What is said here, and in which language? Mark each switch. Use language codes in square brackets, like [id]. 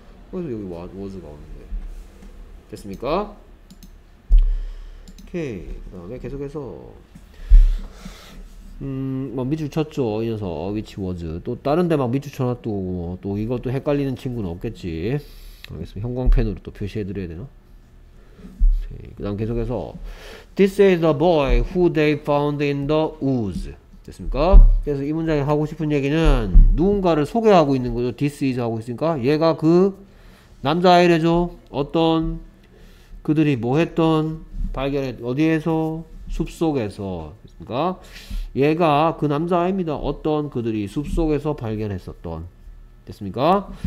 [ko] 그래서 여기 was가 오는데 됐습니까? 오케이 그 다음에 계속해서 뭐 밑줄 쳤죠 이 녀석 which was 또 다른 데 막 밑줄 쳐놨고 또 이것도 헷갈리는 친구는 없겠지. 알겠습니다. 형광펜으로 또 표시해드려야 되나? 그 다음 계속해서 [en] This is the boy who they found in the woods. [ko] 됐습니까? 그래서 이 문장에 하고 싶은 얘기는 누군가를 소개하고 있는 거죠. This is 하고 있으니까 얘가 그 남자아이래죠. 어떤 그들이 뭐 했던 발견했 어디에서 숲속에서 됐습니까? 얘가 그 남자아이입니다. 어떤 그들이 숲속에서 발견했었던 됐습니까?